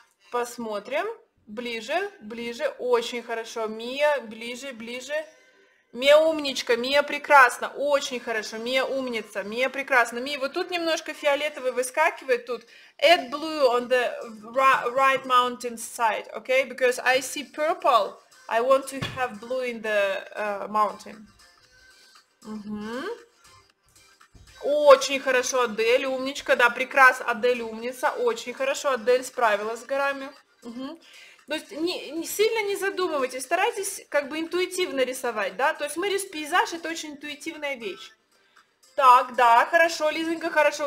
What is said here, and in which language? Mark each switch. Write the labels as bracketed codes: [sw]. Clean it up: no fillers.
[ru] Посмотрим. Ближе, ближе, очень хорошо. Мия, ближе, ближе. Мия умничка, Мия прекрасна, очень хорошо, Мия умница, Мия прекрасна. Мия, вот тут немножко фиолетовый выскакивает тут. [en] Add blue on the right mountain side, okay? Because I see purple, I want to have blue in the mountain. Угу. [ru] Очень хорошо, Адель, умничка, да, прекрасно, Адель умница, очень хорошо, Адель справилась с горами. Угу. То есть не сильно не задумывайтесь, старайтесь как бы интуитивно рисовать, да? То есть мы рисуем пейзаж, это очень интуитивная вещь. Так, да, хорошо, Лизонька, хорошо.